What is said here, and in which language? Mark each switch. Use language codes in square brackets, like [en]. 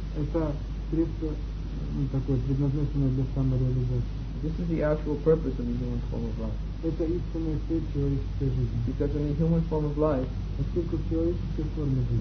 [ru] Это средство такое предназначенное для самореализации. [en] This is the actual purpose of the human form of life. [ru] Это истинная цель человеческой жизни. [en] Because in the human form of life, [ru] поскольку человеческая форма жизни,